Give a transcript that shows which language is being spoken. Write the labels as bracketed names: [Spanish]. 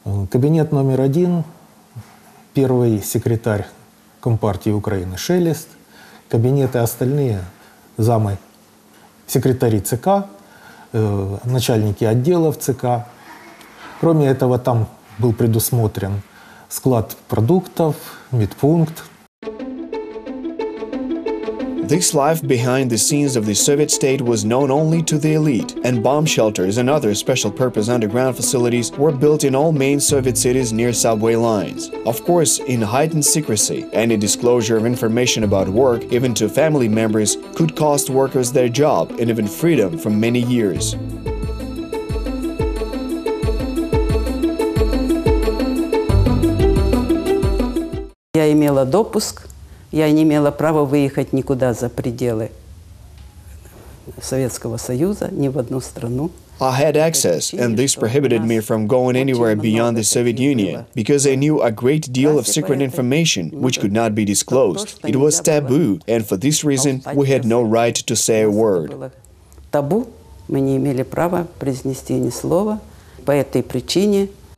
[Russian] Кабинет номер один, первый секретарь Компартии Украины Шелест, кабинеты остальные замы секретари ЦК, начальники отделов ЦК. Кроме этого, там был предусмотрен склад продуктов, медпункт. [English] This life behind the scenes of the Soviet state was known only to the elite, and bomb shelters and other special-purpose underground facilities were built in all main Soviet cities near subway lines. Of course, in heightened secrecy, any disclosure of information about work, even to family members, could cost workers their job and even freedom for many years. [Russian] Я имела допуск. Я не имела права выехать никуда за пределы Советского Союза, ни в одну страну. [English] I had access, and this prohibited me from going anywhere beyond the Soviet Union, because I knew a great deal of secret information, which could not be disclosed. It was taboo, and for this reason, we had no right to say a word. [Russian] Табу. Мы не имели права произнести ни слова по этой причине.